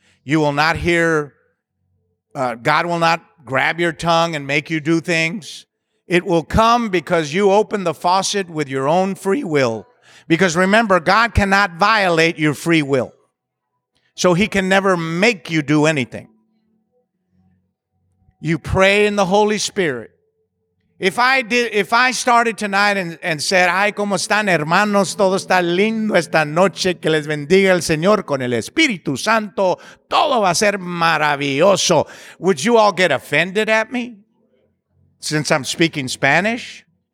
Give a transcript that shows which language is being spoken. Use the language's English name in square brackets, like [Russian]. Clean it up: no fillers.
[English] You will not hear. God will not grab your tongue and make you do things. It will come because you open the faucet with your own free will. Because remember, God cannot violate your free will. So he can never make you do anything. You pray in the Holy Spirit. If I started tonight and said, [Spanish] ay, ¿cómo están, hermanos? Todo está lindo esta noche. Que les bendiga el Señor con el Espíritu Santo. Todo va a ser maravilloso. [English] Would you all get offended at me? Since I'm speaking Spanish?